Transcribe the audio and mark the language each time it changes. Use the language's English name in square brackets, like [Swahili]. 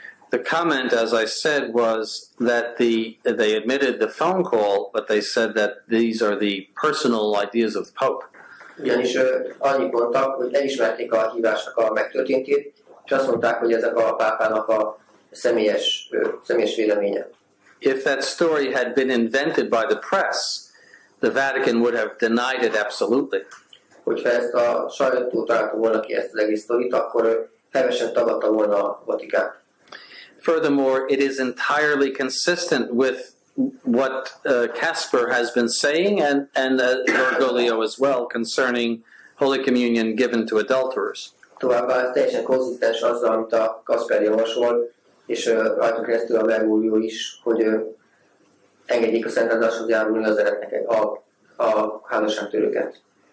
[English] The comment, as I said, was that they admitted the phone call, but they said that these are the personal ideas of the Pope. [Hungarian] Ugyanis annyit mondtak, hogy elismerték a hívásnak a megtörténtét, és azt mondták, hogy ezek a pápának a személyes véleménye. [English] If that story had been invented by the press, the Vatican would have denied it absolutely. [Hungarian] Hogyha ezt a sajtó találta volna ki ezt az egész sztorit, akkor hevesen tagadta volna a Vatikán. [English] Furthermore, it is entirely consistent with what Casper has been saying and Bergoglio as well concerning Holy Communion given to adulterers. [Hungarian] Továbbá ez teljesen konzisztens azzal, amit a Casper javasol, és rajta keresztül a Bergoglio is, hogy engedjék a szentáldáshoz járulni az eretnek a házasságtörőket.